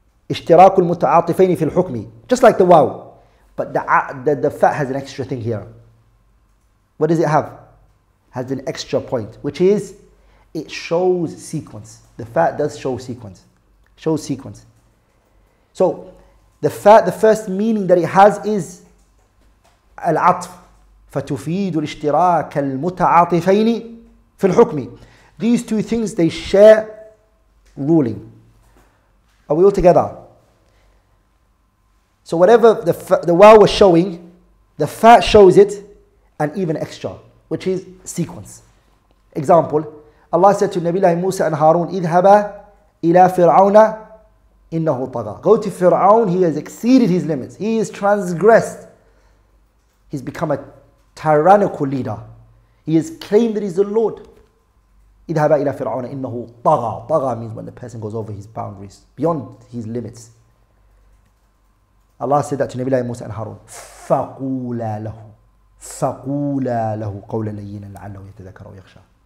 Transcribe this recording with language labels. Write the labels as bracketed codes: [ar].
[ar] اشتراك المتعاطفين في الحكم, [en] just like the wow, but the fa has an extra thing here. What does it have? Has an extra point, which is it shows sequence. The fa does show sequence, shows sequence. So the fa, the first meaning that it has is العطف. [ar] فتفيد الاشتراك المتعاطفين في الحكم. [en] These two things, they share ruling. Are we all together? So whatever the wa was showing, the fa shows it, and even extra, which is sequence. Example, Allah said to Nabi Musa and Harun, [ar] اذهبَ إلى فرعون إنه طغى. [en] Go to Fir'aun, he has exceeded his limits. He has transgressed. He's become a tyrannical leader. He has claimed that he's the Lord. [ar] اذهبَ إلى فرعون إنه طغى. [en] طغى means when the person goes over his boundaries, beyond his limits. Allah said that to Nabi Musa and Harun. [ar] فقولا له. فقولا له قولا لينا لعله يتذكر ويخشى.